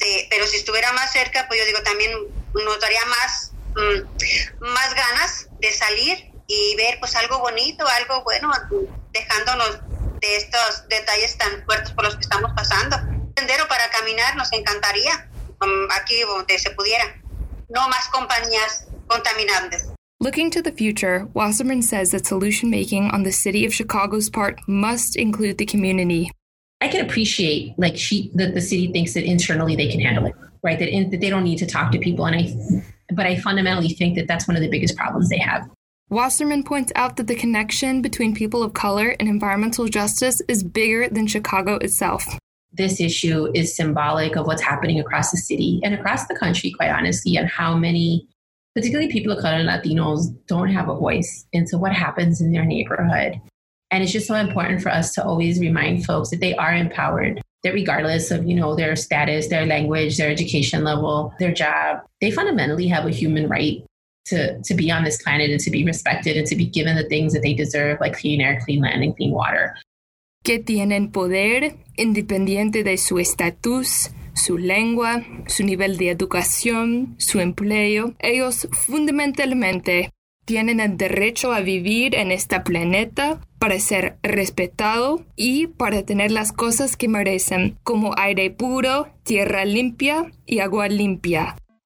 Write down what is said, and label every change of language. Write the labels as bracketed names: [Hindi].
[Spanish] Pero si estuviera más cerca, pues yo digo, también nos daría más, más ganas de salir y ver pues algo bonito, algo bueno, dejándonos de estos detalles tan fuertes por los que estamos pasando. Un sendero para caminar nos encantaría, aquí donde se pudiera. No más compañías contaminantes. [English] Looking to the future, Wasserman says that solution making on the city of Chicago's part must include the community. I can appreciate that the city thinks that internally they can handle it, right? That they don't need to talk to people. But I fundamentally think that that's one of the biggest problems they have. Wasserman points out that the connection between people of color and environmental justice is bigger than Chicago itself. This issue is symbolic of what's happening across the city and across the country, quite honestly, and how many, particularly people of color and Latinos, don't have a voice into what happens in their neighborhood. And it's just so important for us to always remind folks that they are empowered, that regardless of, you know, their status, their language, their education level, their job, they fundamentally have a human right to be on this planet and to be respected and to be given the things that they deserve, like clean air, clean land, and clean water. [Spanish] Que tienen poder independiente de su estatus, su lengua, su nivel de educación, su empleo, ellos fundamentalmente tienen el derecho a vivir en esta planeta para ser respetado y para tener las cosas que merecen, como aire puro, tierra limpia y agua limpia.